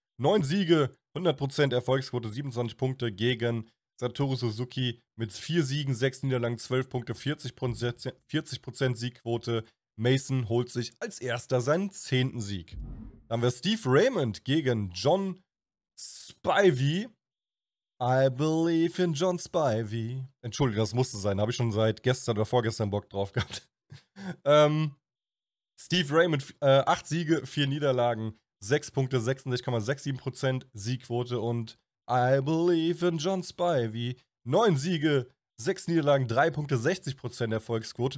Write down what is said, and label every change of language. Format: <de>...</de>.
<de>9 Siege, 100% Erfolgsquote, 27 Punkte gegen Satoru Suzuki mit 4 Siegen, 6 Niederlagen, 12 Punkte, 40% Siegquote. Mason holt sich als erster seinen 10. Sieg. Dann haben wir Steve Raymond gegen John Spivey.</de> <en>I believe in John Spivey.</en> <de>Entschuldigung, das musste sein. Da habe ich schon seit gestern oder vorgestern Bock drauf gehabt. Steve Raymond, 8 Siege, 4 Niederlagen, 6 Punkte, 66,67% Siegquote und</de> <en>I believe in John Spivey.</en> <de>9 Siege, 6 Niederlagen, 3 Punkte, 60% Erfolgsquote.</de>